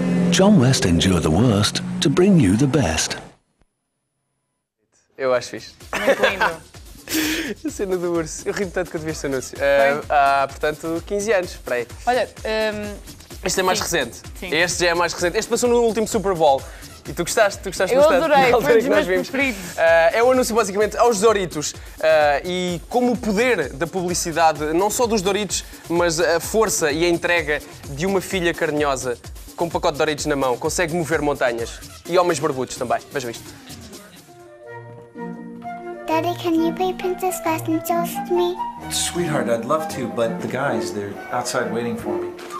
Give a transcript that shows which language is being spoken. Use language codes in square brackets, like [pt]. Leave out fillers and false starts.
[en] John West endure the worst to bring you the best. [pt] Eu acho fixe. Muito lindo. A cena do urso. Eu ri-me tanto quando vi este anúncio. Há, portanto, 15 anos. Espera aí. Olha, este é mais recente. Sim. Este já é mais recente. Este passou no último Super Bowl. E tu gostaste, Eu adorei, foi dos meus preferidos. É o anúncio basicamente aos Doritos e como o poder da publicidade, não só dos Doritos, mas a força e a entrega de uma filha carinhosa com um pacote de Doritos na mão consegue mover montanhas e homens barbudos também. Vejam isto. [en] Daddy, can you play Princess Passengers with me? Sweetheart, I'd love to, but the guys, they're outside waiting for me.